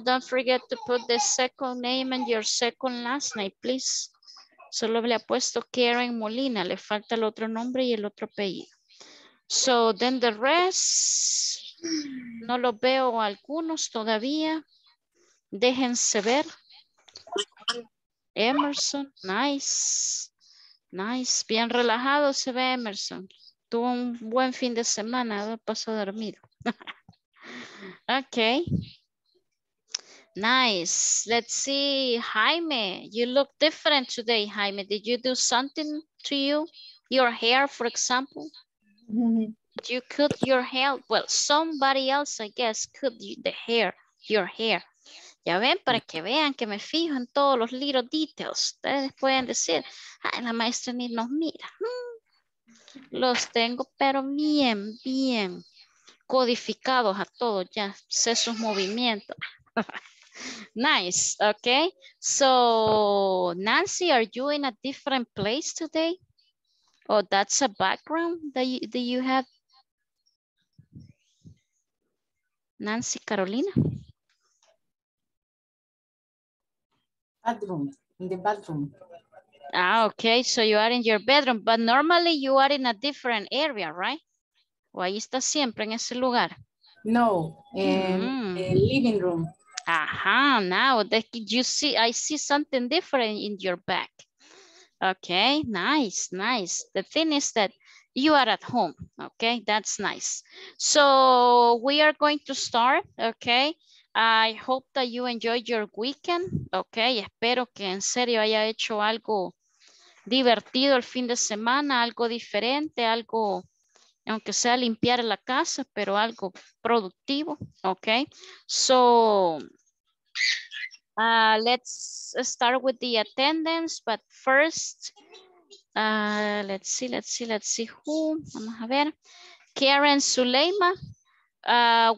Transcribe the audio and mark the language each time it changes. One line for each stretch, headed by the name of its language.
English: Don't forget to put the second name and your second last name, please.
Spanish: Solo le ha puesto Karen Molina. Le falta el otro nombre y el otro apellido.
English: So then the rest,
Spanish: no lo veo algunos todavía. Déjense ver. Emerson, nice. Nice, bien relajado se ve Emerson. Tuvo un buen fin de semana, pasó dormido.
English: Okay. Nice. Let's see, Jaime. You look different today, Jaime. Did you do something to you? Your hair, for example? Did you cut your hair? Well, somebody else, I guess, cut the hair, your hair.
Spanish: Ya ven, para que vean que me fijo en todos los
English: little details.
Spanish: Ustedes pueden decir, ay, la maestra ni nos mira. Los tengo, pero bien, bien codificados a todos. Ya sé sus movimientos. Nice, okay.
English: So, Nancy, are you in a different place today? Oh, that's a background that you have? Nancy, Carolina? Bathroom, in the bathroom. Ah, okay, so you are in your bedroom, but normally you are in a different area, right?
Spanish: ¿O ahí está siempre en ese lugar?
English: No, living room. Ajá, now that you see, I see something different in your back. Okay, nice, nice. The thing is that you are at home, okay? That's nice. So we are going to start, okay? I hope that you enjoyed your weekend, okay?
Spanish: Espero que en serio haya hecho algo divertido el fin de semana, algo diferente, algo, aunque sea limpiar la casa, pero algo productivo, okay?
English: So, let's start with the attendance, but first, let's see who,
Spanish: vamos a ver,
English: Karen Suleyma.